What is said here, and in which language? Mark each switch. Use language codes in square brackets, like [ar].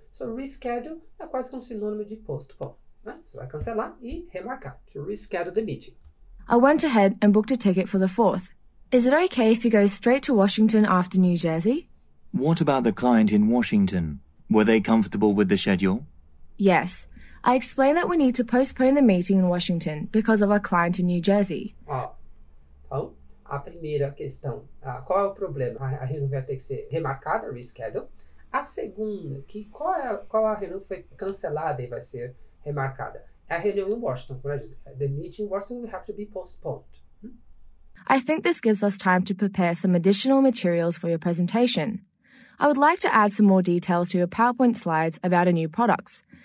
[pt] So, reschedule é quase como sinônimo de postpone, né? Você vai cancelar e remarcar. [en] To reschedule the meeting. I went ahead and booked a ticket for the 4th. Is it okay if you go straight to Washington after New Jersey? What about the client in Washington? Were they comfortable with the schedule? Yes. I explained that we need to postpone the meeting in Washington because of our client in New Jersey. [pt] Então, a primeira questão, qual é o problema? A reunião vai ter que ser remarcada, rescheduled. A segunda, que qual a reunião que foi cancelada e vai ser remarcada? É a reunião em Washington, por exemplo. [en] The meeting in Washington will have to be postponed. I think this gives us time to prepare some additional materials for your presentation. I would like to add some more details to your PowerPoint slides about our new products.